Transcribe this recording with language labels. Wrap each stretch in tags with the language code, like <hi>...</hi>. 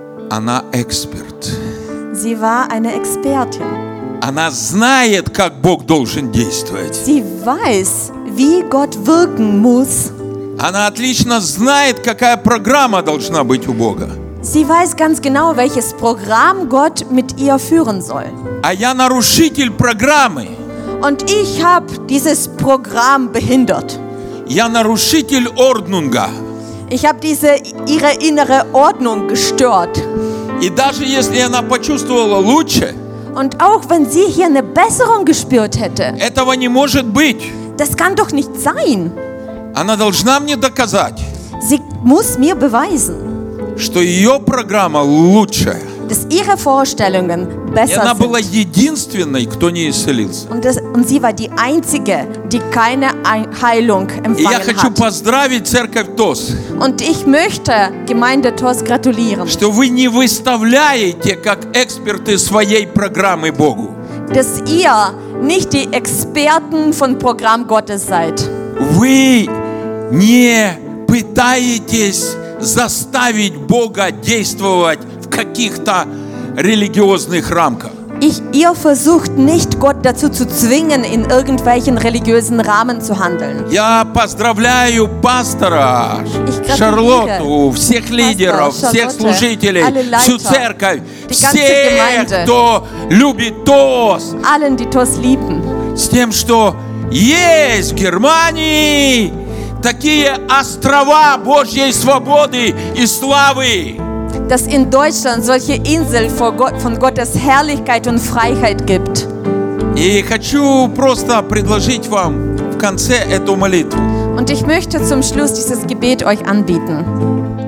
<ru>Она эксперт.</ru> <de>Sie war eine Expertin.</de> <ru>Она знает, как Бог должен действовать.</ru> <de>Sie weiß, wie Gott wirken muss.</de> <ru>Она отлично знает, какая программа должна быть у Бога.</ru> <de>Sie weiß ganz genau, welches Programm Gott mit ihr führen soll.</de> <ru>А я нарушитель программы.</ru> <de>Und ich habe dieses Programm behindert.</de> <ru>Я нарушитель ордунга.</ru> <de>Ich habe diese ihre innere Ordnung gestört.</de> <ru>И даже если она почувствовала лучше,</ru> <de>und auch wenn sie hier eine Besserung gespürt hätte,</de> <ru>этого не может быть.</ru> <de>Das kann doch nicht sein.</de> <ru>Она должна мне доказать,</ru> <de>sie muss mir beweisen,</de> <ru>что ее программа лучше.</ru> <de>Dass ihre Vorstellungen besser sind.</de> <ru>Она была единственной, кто не исцелился.</ru> <de>Und sie war die einzige, die keine Heilung empfangen hat.</de> <ru>Я хочу поздравить церковь ТОС.</ru> <de>Und ich möchte Gemeinde ТОС gratulieren.</de> <ru>Что вы не выставляете как эксперты своей программы Богу.</ru> <de>Dass ihr nicht die Experten von Programm Gottes seid.</de> <ru>Вы не пытаетесь заставить Бога действовать в каких-то религиозных рамках.</ru> <de>Ihr versucht nicht, Gott dazu zu zwingen, in irgendwelchen religiösen Rahmen zu handeln.</de> <ru>Я поздравляю пастора, Шарлотту, всех лидеров, всех служителей, всю церковь, всех, кто любит ТОС.</ru> <de>Allen, die ТОС lieben.</de> <ru>С тем, что есть в Германии такие острова Божьей свободы и славы.</ru> <de>Dass in Deutschland solche Inseln von Gottes Herrlichkeit und Freiheit gibt.</de> <ru>И хочу просто предложить вам в конце эту молитву.</ru> <de>Und ich möchte zum Schluss dieses Gebet euch anbieten.</de>